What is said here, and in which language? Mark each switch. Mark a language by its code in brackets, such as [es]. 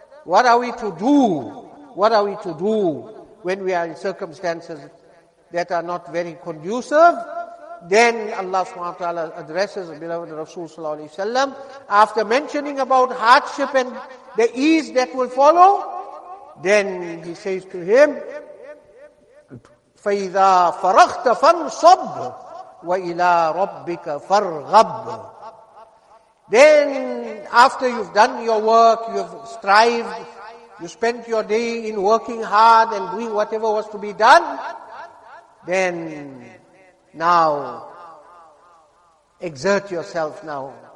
[en] What are we to do? What are we to do when we are in circumstances that are not very conducive? Then Allah subhanahu wa ta'ala addresses the beloved Rasul sallallahu alayhi wa sallam after mentioning about hardship and the ease that will follow. Then he says to him, [ar] فَإِذَا فَرَغْتَ فَانْصَبْ وَإِلَىٰ رَبِّكَ فَارْغَبْ. [en] Then after you've done your work, you've strived, you spent your day in working hard and doing whatever was to be done, then now exert yourself now.